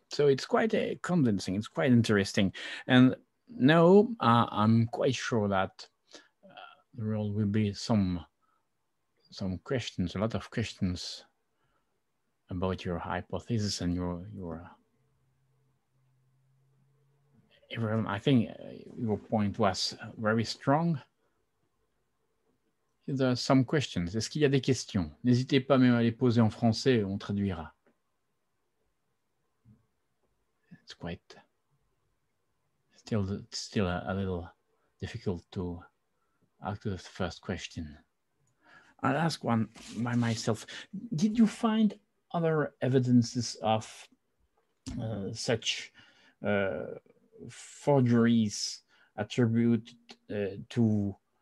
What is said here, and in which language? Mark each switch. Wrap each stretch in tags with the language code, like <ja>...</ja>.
<en>So it's quite convincing. It's quite interesting. And now I'm quite sure that there will be some questions, a lot of questions about your hypothesis and your everyone, I think your point was very strong. Is there some questions?</en> <fr>Est-ce qu'il y a des questions? N'hésitez pas même à les poser en français, on traduira.</fr> <en>It's quite still a little difficult to answer the first question. I'll ask one by myself. Did you find other evidences of such forgeries attributed to</en>